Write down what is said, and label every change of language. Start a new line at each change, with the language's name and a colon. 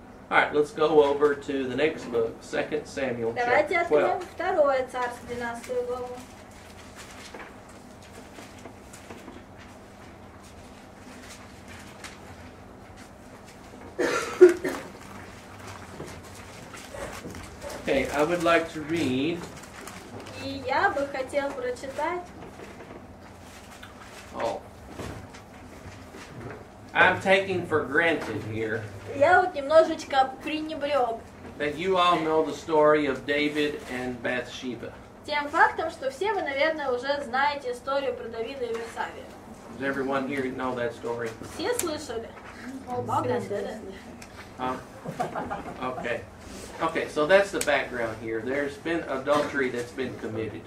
English: All right, let's go over to the next book, 2 Samuel, chapter
Russian: Давайте откроем второе царство, 12 главу.
English: Okay, I would like to read...
Russian: И я бы хотел прочитать... Oh.
English: I'm taking for granted here.
Russian: Я вот немножечко пренебрёг.
English: That you all know the story of David and Bathsheba.
Russian: Тем фактом, что все вы, наверное, уже знаете историю про Давида и Версавию.
English: Does everyone here know that story?
Russian: Все слышали.
English: Okay. Okay, so that's the background here. There's been adultery that's been committed.